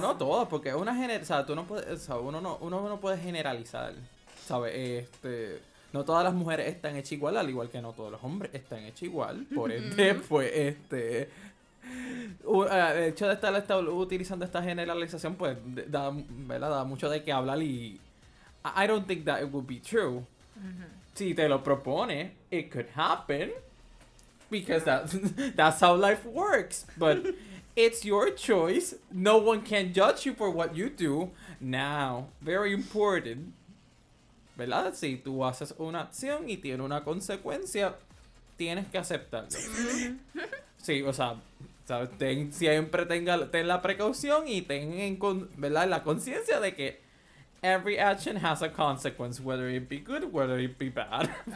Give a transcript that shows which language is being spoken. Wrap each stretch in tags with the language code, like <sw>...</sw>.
<es>No, no todas, porque una uno no puede generalizar, ¿sabes? No todas las mujeres están hechas igual, al igual que no todos los hombres están hechas igual. Por ende, pues, el hecho de estar utilizando esta generalización, pues, da mucho de qué hablar y...</es> <en>I don't think that it would be true. Uh-huh.</en> <es>Si te lo propone,</es> <en>it could happen. Because that's how life works. But it's your choice. No one can judge you for what you do. Now, very important.</en> <es>¿Verdad? Si tú haces una acción y tiene una consecuencia, tienes que aceptarlo. Sí, o sea, ¿sabes? Siempre ten la precaución y ten ¿verdad? La conciencia de que</es> <en>every action has a consequence, whether it be good, whether it be bad.</en>